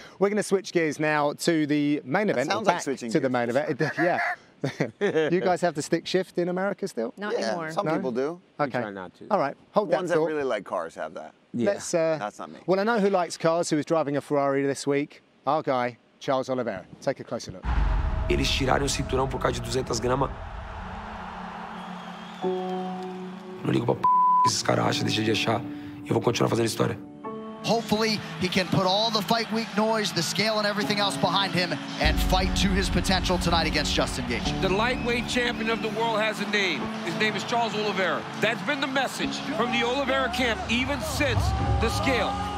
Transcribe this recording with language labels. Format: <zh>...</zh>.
<en>We're going to switch gears now to the main event. That sounds like switching to the main event. Yeah. You guys have the stick shift in America still? Not anymore. Some people do. Okay. We try not to. All right. Hold that thought. Ones that really like cars have that. Yeah. Let's, that's not me. Well, I know who likes cars, who is driving a Ferrari this week. Our guy, Charles Oliveira. Take a closer look.</en> <pt>Eles tiraram o cinturão por causa de 200 gramas. Não ligo pra p*** que esses caras acham, deixa de achar. Eu vou continuar fazendo história.</pt> <en>Hopefully, he can put all the fight week noise, the scale and everything else behind him and fight to his potential tonight against Justin Gaethje. The lightweight champion of the world has a name. His name is Charles Oliveira. That's been the message from the Oliveira camp even since the scale.</en>